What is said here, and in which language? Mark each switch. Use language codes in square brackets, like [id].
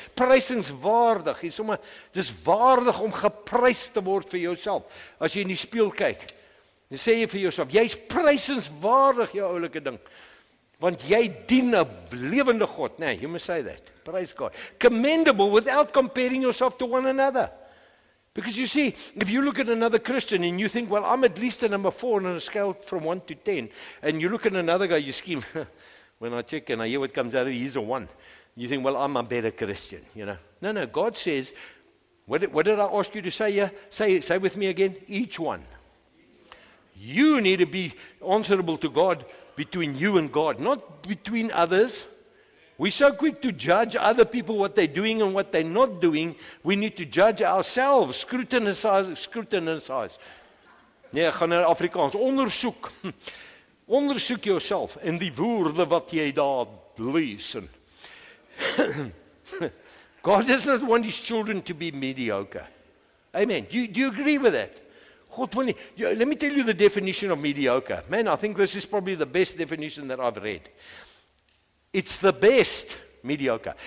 [af] Prysenswaardig. Dis sommer dis waardig om geprys te word vir jouself. As jy in die spieël kyk, dan sê jy vir jouself, jy's prysenswaardig, jou oulike ding. Want jy dien 'n lewende God, nee. [en] You must say that. Praise God. Commendable without comparing yourself to one another. Because you see, if you look at another Christian and you think, well, I'm at least a number 4 on a scale from 1 to 10, and you look at another guy, you scheme, when I check and I hear what comes out of him, he's a 1. You think, well, I'm a better Christian, you know. No, no, God says, what did I ask you to say here? Say with me again, each one. You need to be answerable to God between you and God, not between others. We're so quick to judge other people, what they're doing and what they're not doing. We need to judge ourselves, scrutinize. [af] Nee, gaan in Afrikaans, ondersoek. Ondersoek yourself in die woorde wat jy daar lees. [en] God does not want his children to be mediocre. Amen. Do you agree with that? God, let me tell you the definition of mediocre. Man, I think this is probably the best definition that I've read. It's the best, mediocre.